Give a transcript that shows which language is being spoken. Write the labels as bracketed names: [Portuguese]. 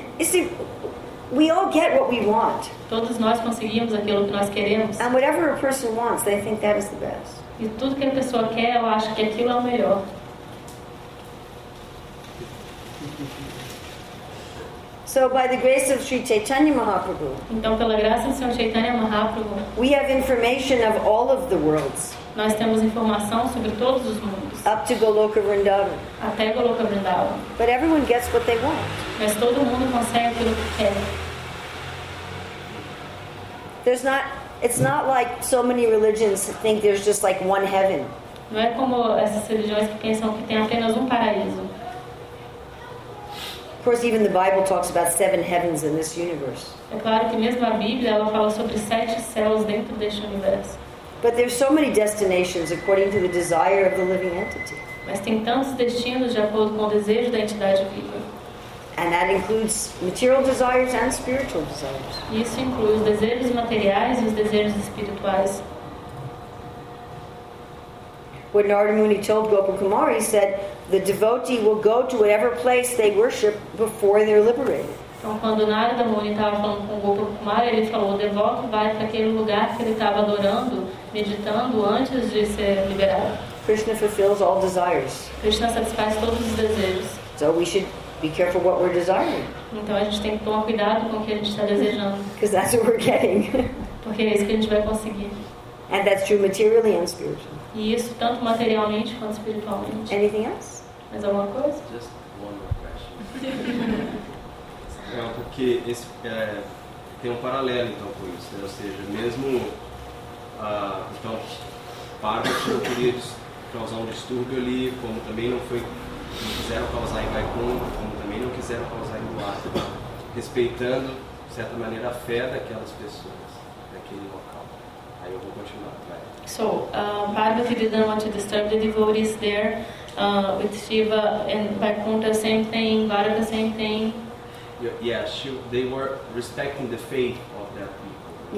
[English] You see, we all get what we want. [Portuguese] Todos nós conseguimos aquilo que nós queremos. [English] And whatever a person wants, they think that is the best. [Portuguese] E tudo que a pessoa quer, eu acho que aquilo é o melhor. [English] So by the grace of Sri Chaitanya Mahaprabhu, [Portuguese] então, pela graça do Senhor Chaitanya Mahaprabhu, [English] we have information of all of the worlds. [Portuguese] Nós temos informação sobre todos os mundos. [English] Up to Goloka Vrindavan. [Portuguese] Até Goloka Vrindavan. [English] But everyone gets what they want. [Portuguese] Mas todo mundo consegue aquilo que quer. [English] It's not like so many religions think there's just like one heaven. [Portuguese] Não é como essas religiões que pensam que tem apenas paraíso. [English] Of course, even the Bible talks about seven heavens in this universe. [Portuguese] É claro que mesmo a Bíblia ela fala sobre sete céus dentro deste universo. [English] But there's so many destinations according to the desire of the living entity. [Portuguese] Mas tem tantos destinos de acordo com o desejo da entidade viva. [English] And that includes material desires and spiritual desires. [Portuguese] Isso inclui os desejos materiais e os desejos espirituais. [English] what Narada Muni told Gopal Kumar. He said, the devotee will go to whatever place they worship before they're liberated. [Portuguese] Então, quando Narada Muni estava falando com o Gopal Kumar, ele falou, o devoto vai para aquele lugar que ele estava adorando, meditando, antes de ser liberado. [English] Krishna fulfills all desires. [Portuguese] Krishna satisfaz todos os desejos. [English] So we should be careful what we're desiring. [Portuguese] Então, a gente tem que tomar cuidado com o que a gente está desejando. [English] Because that's what we're getting. [Portuguese] Porque é isso que a gente vai conseguir. [English] And that's true materially and spiritually. [Portuguese] E isso, tanto materialmente quanto espiritualmente. [English] Anything else? [Portuguese] Mais alguma coisa? [English] Just one more question. [Portuguese] É, porque esse, é, tem um paralelo então com isso, né? Ou seja, mesmo então Parvati não queria causar um distúrbio ali, como também não quiseram causar em Vaikuntha, como também não quiseram causar em Dwarka, respeitando de certa maneira a fé daquelas pessoas daquele local. Aí eu vou continuar. Vai. [English] So Parvati didn't want to disturb the devotees there with Shiva and Vaikuntha, same thing, Dwarka, same thing. Yeah, they were respecting the faith of that people.